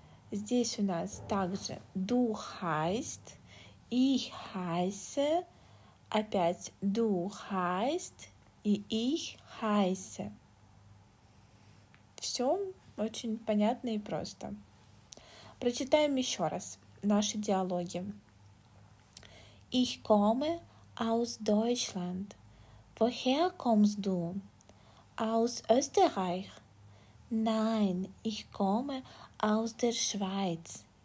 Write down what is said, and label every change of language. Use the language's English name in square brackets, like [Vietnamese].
[Russian] Здесь у нас также [German] du heißt, ich heiße, [Russian] опять [German] du heißt [Russian] и [German] ich heiße. [Russian] Все очень понятно и просто. Прочитаем еще раз наши диалоги. [German] Ich komme aus Deutschland. Woher kommst du? Aus Österreich? Nein, ich komme aus der Schweiz.